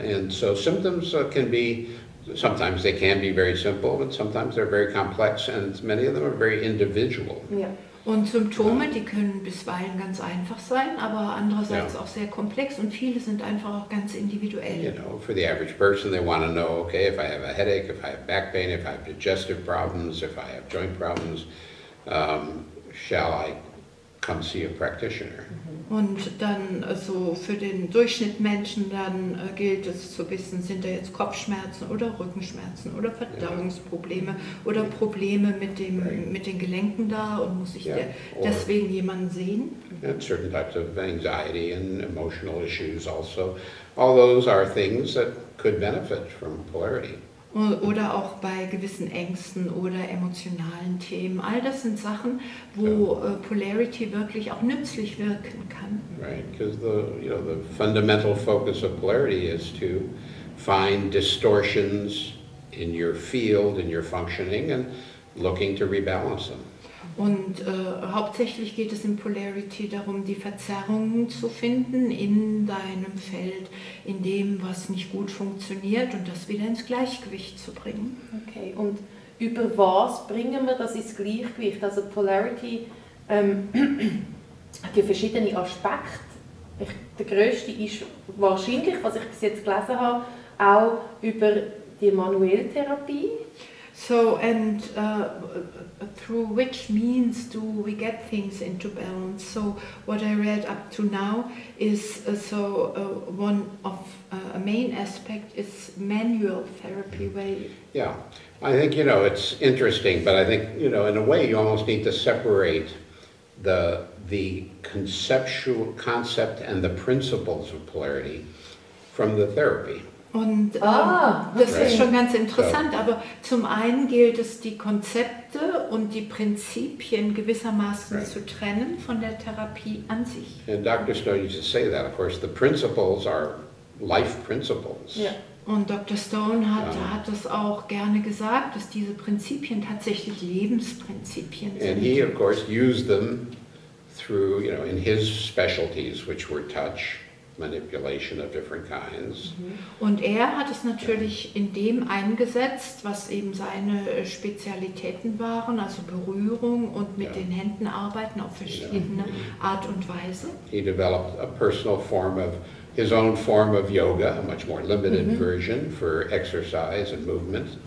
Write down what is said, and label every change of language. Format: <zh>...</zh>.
<en>And so symptoms can be, sometimes they can be very simple, but sometimes they're very complex and many of them are very individual. Yeah.</en> <de>Und Symptome, die können bisweilen ganz einfach sein, aber andererseits auch sehr komplex und viele sind einfach auch ganz individuell.</de> <en>You know, for the average person, they want to know, okay, if I have a headache, if I have back pain, if I have digestive problems, if I have joint problems, shall I come see a practitioner?</en> <de>Und dann also für den Durchschnittsmenschen dann gilt es zu wissen, sind da jetzt Kopfschmerzen oder Rückenschmerzen oder Verdauungsprobleme oder Probleme mit dem mit den Gelenken da und muss ich deswegen jemanden sehen?</de> <en>And certain types of anxiety and emotional issues also, all those are things that could benefit from polarity.</en> <de>Oder auch bei gewissen Ängsten oder emotionalen Themen. All das sind Sachen, wo Polarity wirklich auch nützlich wirken kann.</de> <en>Right, because the, you know, the fundamental focus of polarity is to find distortions in your field, in your functioning and looking to rebalance them.</en> <de>Und hauptsächlich geht es in Polarity darum, die Verzerrungen zu finden in deinem Feld, in dem, was nicht gut funktioniert und das wieder ins Gleichgewicht zu bringen. Okay, und über was bringen wir das ins Gleichgewicht? Also Polarity hat ja verschiedene Aspekte. Der größte ist wahrscheinlich, was ich bis jetzt gelesen habe, auch über die Manueltherapie.</de> <en>So, and through which means do we get things into balance? So, what I read up to now is, one of a main aspect is manual therapy way. Yeah, I think, you know, it's interesting, but I think, you know, in a way you almost need to separate the conceptual concept and the principles of polarity from the therapy.</en> <de>Und das ist schon ganz interessant, aber zum einen gilt es, die Konzepte und die Prinzipien gewissermaßen zu trennen von der Therapie an sich.</de> <en>And Dr. Snow used to say that, of course, the principles are life principles. Yeah.</en> <de>Und Dr. Stone hat das auch gerne gesagt, dass diese Prinzipien tatsächlich Lebensprinzipien sind.</de> <en>And he, of course, used them through, you know, in his specialties, which were touch, manipulation of different kinds.</en> <de>Und er hat es natürlich in dem eingesetzt, was eben seine Spezialitäten waren, also Berührung und mit den Händen arbeiten auf verschiedene Art und Weise.</de> <en>He developed a personal form of his own form of yoga, a much more limited version for exercise and movement.</en>